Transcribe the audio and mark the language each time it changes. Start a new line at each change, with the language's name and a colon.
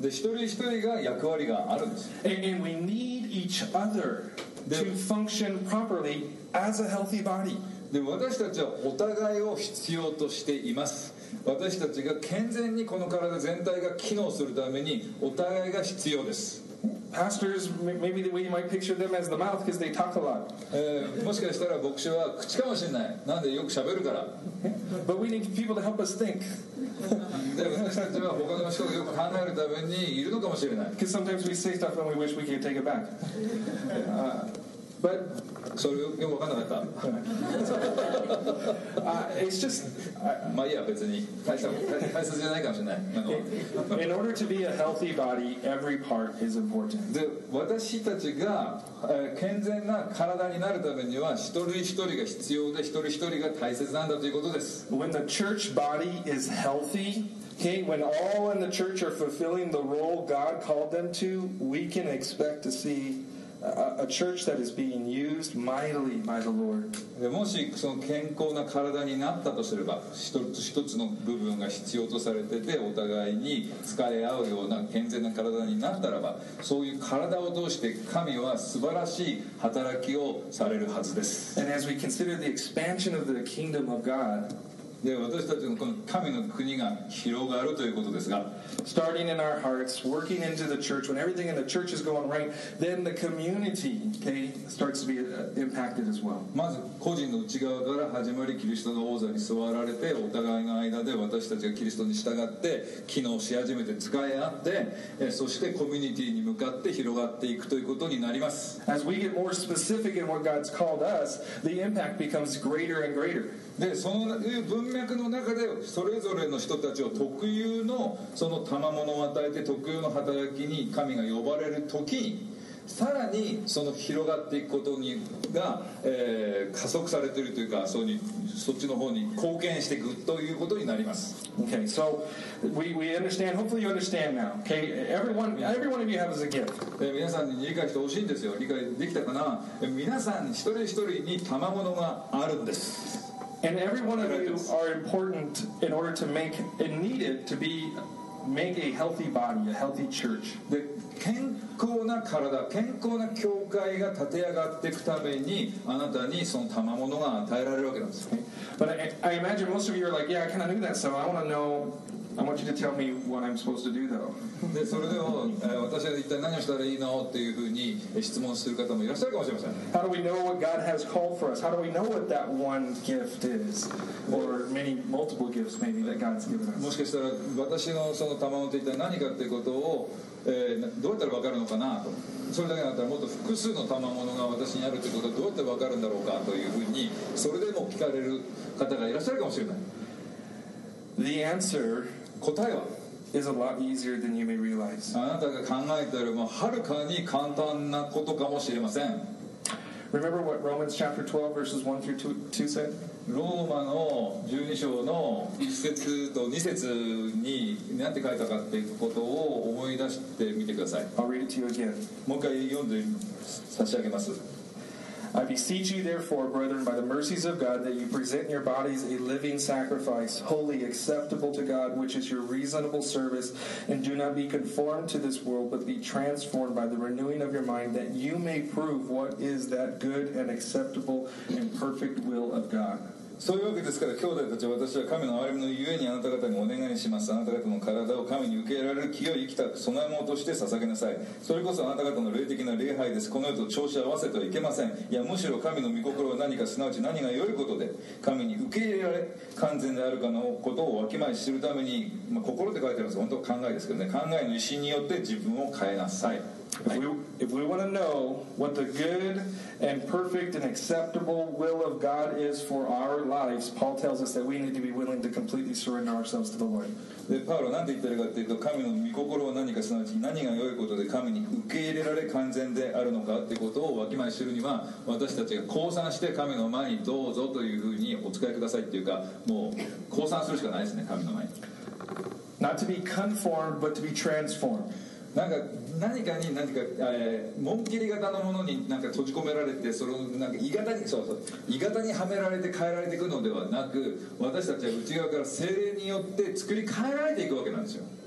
Japanese: で、一人一人が役割があるんです。
English: And we need each other to function properly as a healthy body.
Japanese: で、私たちはお互いを必要としています。私たちが健全にこの体全体が機能するためにお互いが必要です。
English: Pastors, maybe we might picture them as the mouth because they talk a lot.
Japanese: もしかしたら牧師は口かもしれない。なんでよく喋るから。
English: But we need people to help us think.
Japanese: で私たちは他の人がよく考えるためにいるのかもしれない。
English: Because sometimes we say stuff and we wish we could take it back. But
Japanese: それよく分かんなかった。
English: It's just,
Japanese: まあいいや別に大切じゃないかもしれない。
English: In order to be a healthy body, every part is important.
Japanese: で私たちが健全な体になるためには一人一人が必要で一人一人が大切なんだということです。
English: When the church body is healthy, okay, when all in the church are fulfilling the role God called them to, we can expect to see. A church that is being used mightily by the Lord.
Japanese: もしその健康な体になったとすれば、一つ一つの部分が必要とされてて、お互いに使い合うような健全な体になったらば、そういう体を通して神は素晴らしい働きをされるはずです。
English: And as we consider the expansion of the kingdom of God,
Japanese: で私たちのこの神の国が広がるということですが、
English: starting in our hearts, working into the church, when everything in the church is going right, then the community, okay, starts to be impacted as well.
Japanese: まず個人の内側から始まり、キリストの王座に座られて、お互いの間で私たちがキリストに従って機能し始めて使い合って、そしてコミュニティに向かって広がっていくということになります。
English: As we get more specific in what God's called us, the impact becomes greater and greater.
Japanese: でその文脈の中でそれぞれの人たちを特有のその賜物を与えて特有の働きに神が呼ばれる時にさらにその広がっていくことにが、加速されているというか そっちの方に貢献していくということになります。
English: Okay, so we understand. Hopefully you understand now. Okay, everyone of you have a gift.
Japanese: 皆さんに理解してほしいんですよ。理解できたかな？皆さん一人一人に賜物があるんです。
English: And every one of you are important in order to make and needed to be make a healthy body, a healthy church.
Japanese: で、健康な体、健康な教会が立て上がっていくためにあなたにその賜物が与えられるわけなんです。
English: But I imagine most of you are like, yeah, I kind of knew that, so I want to know. I want you to tell me what I'm supposed to do, though.
Japanese: で、それでも、私は一体何をしたらいいのっていうふうに質問する方もいらっしゃるかもしれません。
English: How do we know what God has called for us? How do we know what that one gift is? Or many, multiple gifts, maybe, that God's given us?
Japanese: もしかしたら、私のその賜物って一体何かっていうことを、どうやったら分かるのかなと。それだけだったら、もっと複数の賜物が私にあるってことをどうやって分かるんだろうかというふうに、それでも聞かれる方がいらっしゃるかもしれない。
English: The answer is a lot easier than you may realize.
Japanese: あなたが考えているよりもはるかに簡単なことかもしれません。
English: Remember what Romans chapter 12 verses 1 through 2 said?
Japanese: ローマの12章の1節と2節に何て書いたかっていうことを思い出してみてください。
English: I'll read it to you again.
Japanese: もう一回読んで差し上げます。
English: I beseech you therefore, brethren, by the mercies of God, that you present your bodies a living sacrifice, holy, acceptable to God, which is your reasonable service, and do not be conformed to this world, but be transformed by the renewing of your mind, that you may prove what is that good and acceptable and perfect will of God.
Japanese: そういうわけですから、兄弟たち、私は神の憐れみのゆえにあなた方にお願いします。あなた方の体を神に受け入れられる清い生きた供え物として捧げなさい。それこそあなた方の霊的な礼拝です。この世と調子合わせてはいけません。いや、むしろ神の御心は何か、すなわち何が良いことで、神に受け入れられ、完全であるかのことをわきまえ知るために、まあ、心って書いてあります。本当は考えですけどね。考えの意思によって自分を変えなさい。
English: If we want to know what the good and perfect and acceptable will of God is for our lives, Paul tells us that we need to be willing to completely surrender ourselves to the Lord.
Japanese: で、パウロは何て言ってるかっていうと、神の御心は何か、すなわち何が良いことで神に受け入れられ完全であるのかってことをわきまえ知るには、私たちが降参して神の前にどうぞというふうにお使いくださいっていうか、もう降参するしかないですね、神の前に。
English: Not to be conformed, but to be transformed.
Japanese: なんか何かに何か、紋切り型のものになんか閉じ込められて、そのなんか鋳型に、そうそう、鋳型にはめられて変えられていくのではなく、私たちは内側から精霊によって作り変えられていくわけなんですよ。